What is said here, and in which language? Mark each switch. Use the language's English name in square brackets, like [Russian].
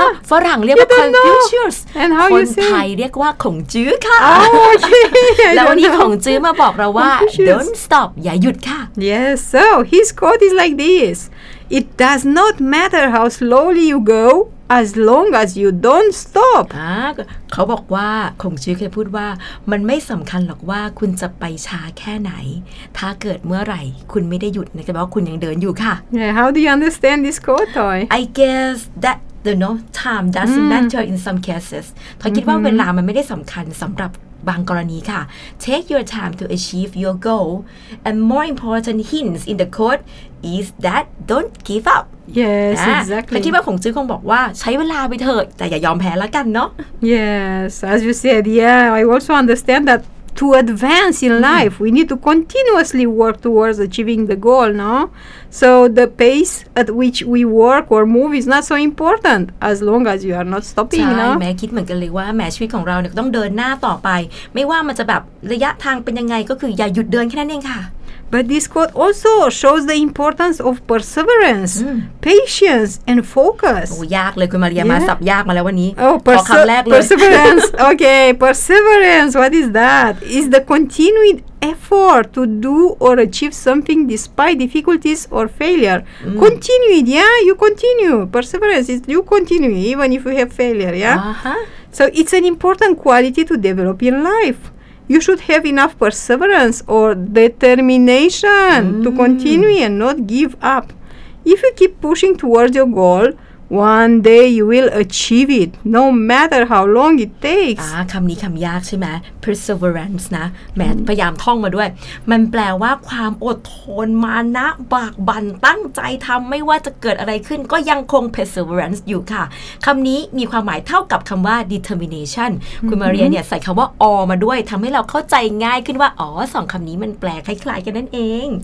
[Thai] ฝรั่งเรียกว่า Confucius [English] and how you say [Thai] คนไทยเรียกว่าขงจื้อค่ ะ [English] okay [Thai] แล้ววันนี้ขงจื้อมาบอกเราว่า [English] don't stop [Thai] อย่าหยุดค่ะ [English] yes so his quote is like this it does not matter how slowly you goAs long as you don't stop. [Thai] เขาบอกว่าคงชื่อเคยพูดว่ามันไม่สำคัญหรอกว่าคุณจะไปช้าแค่ไหนถ้าเกิดเมื่อไหร่คุณไม่ได้หยุดนะแต่ว่าคุณยังเดินอยู่ค่ะ [English] Yeah, how do you understand this quote, Toy? I guess that the no time doesn't matter in some cases. [Thai] Toy คิดว่าเวลามันไม่ได้สำคัญสำหรับบางกรณีค่ะ [English] Take your time to achieve your goal. And more important hints in the quote is that don't give up. Yes, exactly. [Thai] แต่ที่ว่าของจื้อคงบอกว่าใช้เวลาไปเถอะแต่อย่ายอมแพ้แล้วกันเนาะ [English] Yes, as you said, yeah, I also understand that to advance in life, we need to continuously work towards achieving the goal, no? So the pace at which we work or move is not so important as long as you are not stopping, no? [Thai] ใช่แม้คิดเหมือนกันเลยว่าแม้ชีวิตของเราเนี่ยต้องเดินหน้าต่อไปไม่ว่ามันจะแบบระยะทางเป็นยังไงก็คืออย่าหยุดเดินแค่นั้นเองค่ะ [English] But this quote also shows the importance of perseverance, patience, and focus. [Thai] โอ้ยากเลยคุณมาเรียมาสับยากมาแล้ววันนี้ oh, ขอคำแรกเลย [English] perseverance. okay, perseverance. What is that? Is the continued effort to do or achieve something despite difficulties or failure. Continued, yeah, you continue. Perseverance is you continue even if you have failure, yeah. So it's an important quality to develop in life. You should have enough perseverance or determination to continue and not give up. If you keep pushing towards your goal, One day you will achieve it, no matter how long it takes. [Thai] คำนี้คำยากใช่ไหม Perseverance นะแม่พยายามท่องมาด้วยมันแปลว่าความอดทนมานะบากบั่นตั้งใจทำไม่ว่าจะเกิดอะไรขึ้นก็ยังคง Perseverance อยู่ค่ะคำนี้มีความหมายเท่ากับคำว่า Determination คุณมาเรียเนี่ยใส่คำว่า All มาด้วยทำให้เราเข้าใจง่ายขึ้นว่าอ๋อสองคำนี้มันแปลคล้ายๆกันนั่นเอง